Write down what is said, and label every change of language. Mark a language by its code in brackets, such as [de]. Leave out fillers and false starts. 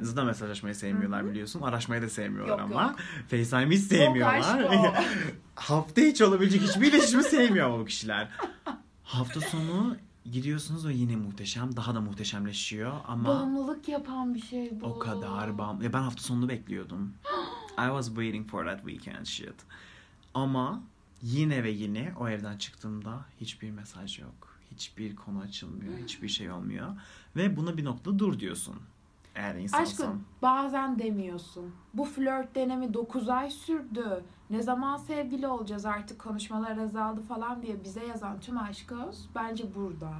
[tr] Zaten da mesajlaşmayı sevmiyorlar Hı-hı. biliyorsun. Araşmayı da sevmiyorlar ama. Yok. FaceTime'ı hiç sevmiyorlar. Hafta içi olabilecek hiçbir iletişimi sevmiyor o kişiler. Hafta sonu gidiyorsunuz o yine muhteşem. Daha da muhteşemleşiyor ama... Bağımlılık yapan bir şey bu. O kadar bağımlı. Ben hafta sonunu bekliyordum. [en] I was waiting for that weekend shit. [tr] Ama yine ve yine o evden çıktığımda hiçbir mesaj yok. Hiçbir konu açılmıyor. Hiçbir şey olmuyor. Ve buna bir noktada dur diyorsun. Eğer insansın. Aşkım bazen demiyorsun. Bu flört denemi 9 ay sürdü. Ne zaman sevgili olacağız artık konuşmalar azaldı falan diye bize yazan tüm aşkoz bence burada.